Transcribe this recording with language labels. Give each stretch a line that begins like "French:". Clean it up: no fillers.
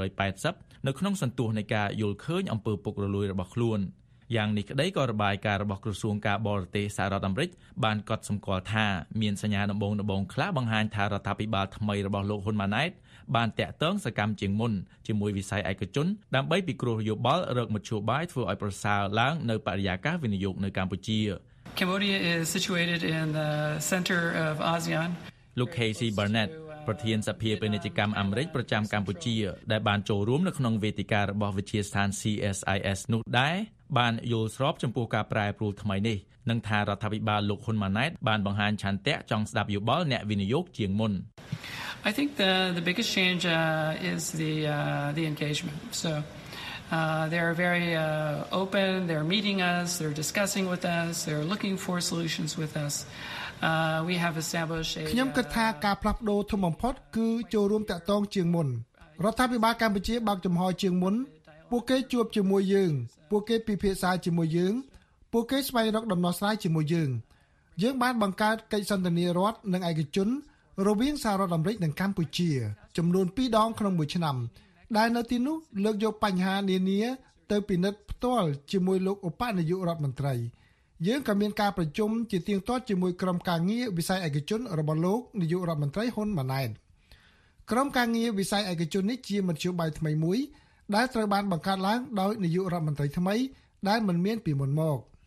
Khmer: 180នៅក្នុងសន្ទុះនៃការយល់ឃើញអំពើពុករលួយរបស់ខ្លួនយ៉ាងនេះក្តីក៏របាយការណ៍របស់ក្រសួងការបរទេសសហរដ្ឋអាមេរិកបានកត់សម្គាល់ថាមានសញ្ញាដំបងដំបងខ្លះបង្ហាញថារដ្ឋាភិបាលថ្មីរបស់លោកហ៊ុនម៉ាណែតបានតាក់ទងសកម្មជាងមុនជាមួយវិស័យឯកជនដើម្បីពិគ្រោះយោបល់រកមធ្យោបាយធ្វើឲ្យប្រសើរឡើងនៅបរិយាកាសវិនិយោគនៅកម្ពុជា
English: Cambodia is situated in the center of ASEAN
Khmer: លោក Casey Barnett ប្រធានសភាពាណិជ្ជកម្មអាមេរិកប្រចាំកម្ពុជាដែលបានចូលរួមនៅក្នុងវេទិការបស់វិទ្យាស្ថាន CSIS នោះដែរបានយល់ស្របចំពោះការប្រែប្រួលថ្មីនេះនឹងថារដ្ឋាភិបាលលោកហ៊ុនម៉ាណែតបានបង្ហាញឆន្ទៈចង់ស្ដាប់យោបល់អ្នកវិនិយោគជាងមុន
English: I think the biggest change is the engagement so they're very open they're meeting us they're discussing with us they're looking for solutions with us we have established
Khmer: ខ្ញុំគិតថាការផ្លាស់ប្ដូរធំបំផុតគឺចូលរួមតាក់ទងជាងមុនរដ្ឋាភិបាលកម្ពុជាបើកចំហជាងមុនពួកគេជួបជាមួយយើងពួកគេពិភាក្សាជាមួយយើងពួកគេស្វែងរកដំណោះស្រាយជាមួយយើង យើងបានបង្កើតកិច្ចសន្ទនារដ្ឋនិងឯកជនរវាងសហរដ្ឋអាមេរិកនិងកម្ពុជាចំនួន2ដងក្នុងមួយឆ្នាំដែលនៅទីនោះលើកយកបញ្ហានានាទៅពិនិត្យផ្ទាល់ជាមួយលោកឧបនាយករដ្ឋមន្ត្រីយើងក៏មានការប្រជុំជាទៀងទាត់ជាមួយក្រុមការងារវិស័យឯកជនរបស់លោកនាយករដ្ឋមន្ត្រីហ៊ុនម៉ាណែតក្រុមការងារវិស័យឯកជននេះជាមធ្យោបាយថ្មីមួយដែលត្រូវបានបង្កើតឡើងដោយនាយករដ្ឋមន្ត្រីថ្មីដែលមិនមានពីមុនមក